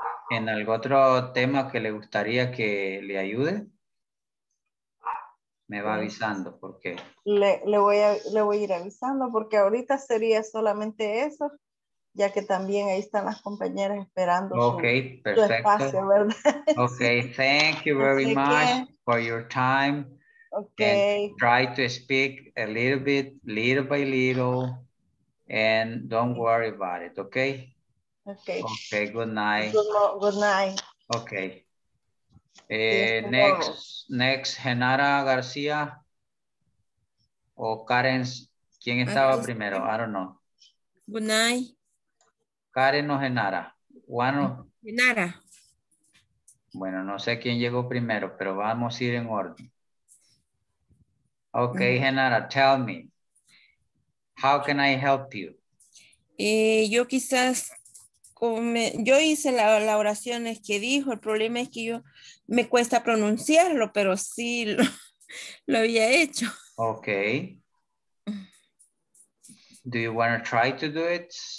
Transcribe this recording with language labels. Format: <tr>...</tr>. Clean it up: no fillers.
<es>¿En algún otro tema que le gustaría que le ayude? Me va avisando, porque le voy a ir avisando, porque ahorita sería solamente eso, ya que también ahí están las compañeras esperando su espacio, ¿verdad?</es> <en>Okay, thank you very much for your time. Okay. And try to speak a little bit, little by little. And don't worry about it, okay? Okay. Okay, good night. Good night. Okay.</en> <es>Next, Genara García o Karen, ¿quién estaba primero?</es> <en>I don't know. Good night.</en> <es>Karen o Genara. Genara. Bueno, no sé quién llegó primero, pero vamos a ir en orden.</es> <en>Okay, mm-hmm. Genara, tell me. How can I help you?</en> <es>Yo hice la oraciones que dijo. El problema es que yo me cuesta pronunciarlo, pero sí lo había hecho.</es> <en>Okay. Do you want to try to do it?</en>